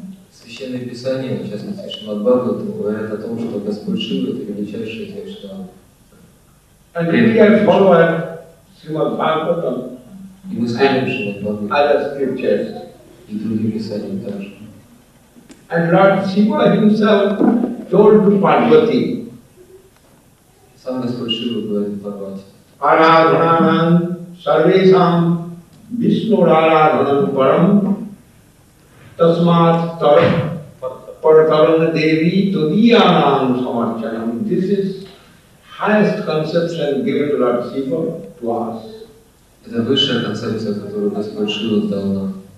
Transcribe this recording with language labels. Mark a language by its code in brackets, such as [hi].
[ru] Священное Писание, в частности, Шримад Бхагаватам, говорят о том, что Господь Шива – это величайший текст [en] And if we have followed Srimad Bhagavatam, [ru] и мы следуем Srimad Bhagavatam, и другие писания также. [en] And Lord Shiva himself told to Parvati. [ru] Сам Господь Шива говорит Парвати. [sa] Арадханам сарвесам Вишну-арадханам парам тасмат тарам паратарана деви тодиянам самарчанам. [en] This is highest conception given to Lord Shiva to us. [ru] Это высшая концепция, которую Господь Шива дал нам.